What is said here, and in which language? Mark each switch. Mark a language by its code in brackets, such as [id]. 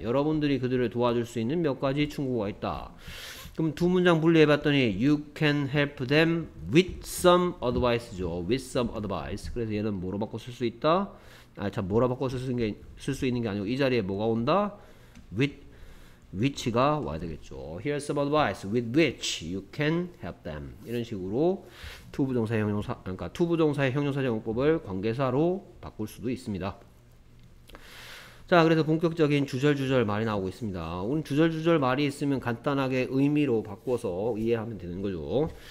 [ko] 여러분들이 그들을 도와줄 수 있는 몇 가지 충고가 있다. 그럼 두 문장 분리해봤더니 [en] You can help them with some advice [ko] 죠. [en] With some advice. [ko] 그래서 얘는 뭐로 바꿔 쓸 수 있다? 아, 참 뭐로 바꿔 쓸 수 있는 게 아니고 이 자리에 뭐가 온다? [en] With which [ko] 가 와야 되겠죠. [en] Here's some advice with which you can help them. [ko] 이런 식으로 to 부정사의 형용사, 그러니까 to 부정사의 형용사 적용법을 관계사로 바꿀 수도 있습니다. 자, 그래서 본격적인 주절주절 말이 나오고 있습니다. 오늘 주절주절 말이 있으면 간단하게 의미로 바꿔서 이해하면 되는 거죠.